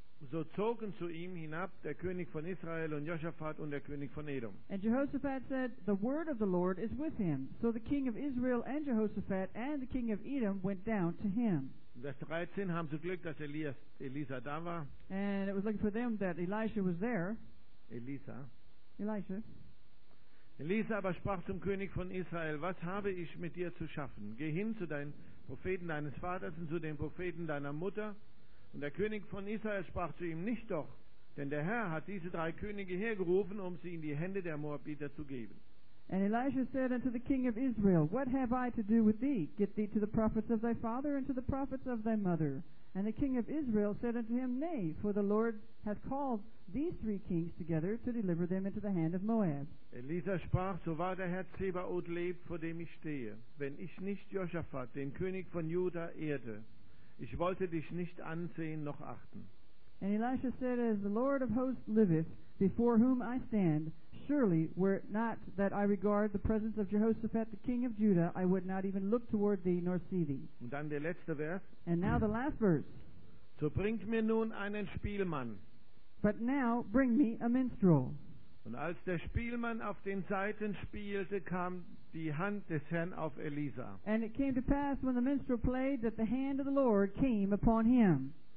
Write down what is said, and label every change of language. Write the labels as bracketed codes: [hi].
[de] So zogen zu ihm hinab der König von Israel und Josaphat und der König von Edom. [en] And Jehoshaphat said, the word of the Lord is with him. So the king of Israel and Jehoshaphat and the king of Edom went down to him. [de] Vers 13, haben sie Glück, dass Elisa da war. [en] And it was lucky for them that Elisha was there. Elisha. [de] Elisa aber sprach zum König von Israel, was habe ich mit dir zu schaffen? Geh hin zu den Propheten deines Vaters und zu den Propheten deiner Mutter. Und der König von Israel sprach zu ihm, nicht doch, denn der Herr hat diese 3 Könige hergerufen, um sie in die Hände der Moabiter zu geben. [en] And Elisha said unto the king of Israel, what have I to do with thee? Get thee to the prophets of thy father and to the prophets of thy mother. And the king of Israel said unto him, nay, for the Lord hath called these 3 kings together to deliver them into the hand of Moab. [de] Elisa sprach, so wahr der Herr Zebaoth lebt, vor dem ich stehe, wenn ich nicht Josaphat, den König von Juda, ehrte, ich wollte dich nicht ansehen noch achten. [en] And Elisha said, as the Lord of hosts liveth, before whom I stand, surely were it not that I regard the presence of Jehoshaphat, the king of Judah, I would not even look toward thee nor see thee. [de] Und dann der letzte Vers. [en] And now the last verse. [de] So bringt mir nun einen Spielmann. [en] But now bring me a minstrel. [de] Und als der Spielmann auf den Saiten spielte, kam die Hand des Herrn auf Elisa. [en] And it came to pass when the minstrel played that the hand of the Lord came upon him.